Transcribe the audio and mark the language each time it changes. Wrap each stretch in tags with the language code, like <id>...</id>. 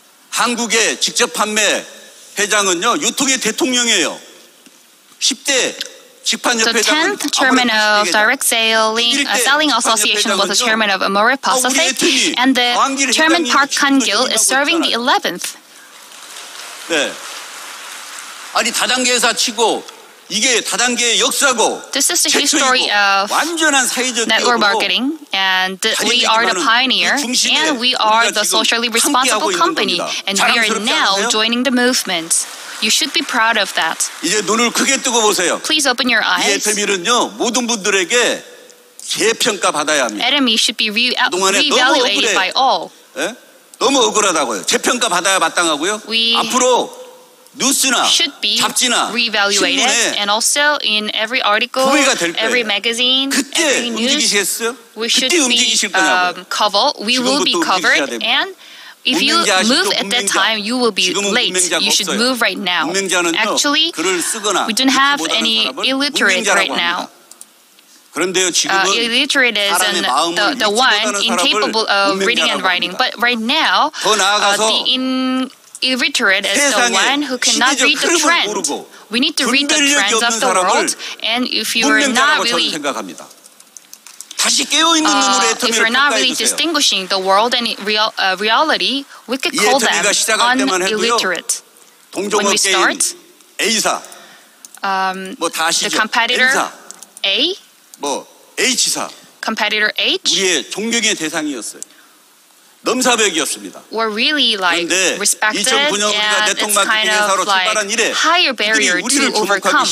<ko>한국의 직접 판매 회장은요, 유통의 대통령이에요. 10대</ko> <en>The 10th chairman of Direct Selling Association was the chairman of Amore Pacific, and the chairman Park Han-gil is serving the 11th.</en> <ko>네. 아니 다단계 회사치고 이게 다단계의 역사고.</ko> <en>This is the history of network marketing, and we are the pioneer, and we are the socially responsible company, and we are now joining the movement. You should be proud of that.</en> <ko>이제 눈을 크게 뜨고 보세요.</ko> <en>Please open your eyes.</en> <ko>이 애터미는요, 모든 분들에게 재평가 받아야 합니다.</ko> <en>Atomy should be re-evaluated by all.</en> <ko>예? 너무 억울하다고요. 재평가 받아야 마땅하고요. 앞으로 뉴스나</ko> <en>should be</en> <ko>잡지나</ko> <en>re-evaluated</en> <ko>신문에</ko> <en>and also in every article, every magazine, every news, we should be covered. We will be covered and if you move at that time, you will be late. You should move right now. Actually, we don't have any illiterate right now. Illiterate is the one incapable of reading and writing. But right now, the illiterate is the one who cannot read the trend. We need to read the trends of the world. And if you are not really... if we're not really distinguishing the world and reality, we could call them un-illiterate. When we start,</en> <ko>A사, 뭐 다 아시죠?</ko> <en>The competitor</en> <ko>N사,</ko> <en>A,</en> <ko>뭐 H사,</ko> <en>competitor H,</en> <ko>우리의 존경의 대상이었어요. 넘사벽이었습니다.</ko> <en>We're really like respected and it's kind of like higher barrier to overcome.</en>